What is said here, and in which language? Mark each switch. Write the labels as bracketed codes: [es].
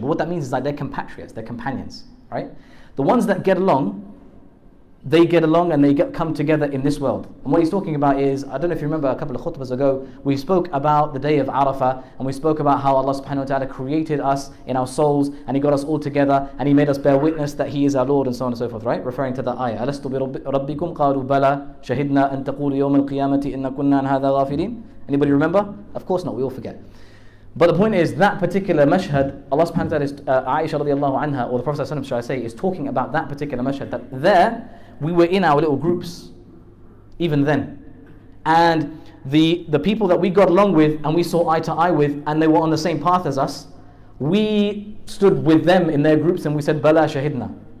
[en] But what that means is that like they're compatriots, they're companions, right? The ones that get along, they get along and they come together in this world. And what he's talking about is, I don't know if you remember a couple of khutbas ago, we spoke about the day of Arafah and we spoke about how Allah subhanahu wa ta'ala created us in our souls and He got us all together and He made us bear witness that He is our Lord and so on and so forth, right? Referring to the ayah, [ar] أَلَسْتُ بِرَبِّكُمْ قَالُوا بَلَى شَهِدْنَا أَن تَقُولُ يَوْمَ الْقِيَامَةِ إِنَّا كُنَّا عَنْ هَذَا غَافِلِينَ. [en] Anybody remember? Of course not, we all forget. But the point is, that particular mashhad, Allah subhanahu wa ta'ala, Aisha radiallahu anha, or the Prophet sallallahu alayhi wa sallam, is talking about that particular mashhad, that there, we were in our little groups, even then. And the people that we got along with, and we saw eye to eye with, and they were on the same path as us, we stood with them in their groups, and we said, Bala shahidna.